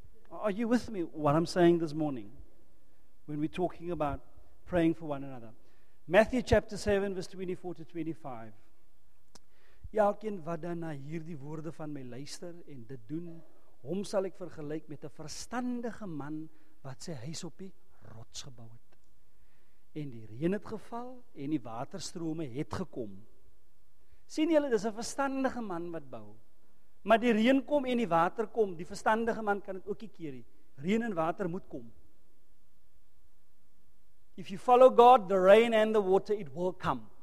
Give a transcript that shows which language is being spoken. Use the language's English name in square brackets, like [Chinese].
[English] Are you with me, what I'm saying this morning, when we're talking about praying for one another? Matthew chapter 7, verse 24 to 25. [Afrikaans] Elkeen wat dan na hierdie woorde van my luister en dit doen, hom sal ek vergelyk met 'n verstandige man wat sy huis op die rots gebou het. En die reën het geval en die waterstrome het gekom. Sien julle, dis 'n verstandige man wat bou. Maar die reën kom en die water kom, die verstandige man kan dit ook nie keer nie. Reën en water moet kom. [English] If you follow God, the rain and the water, it will come.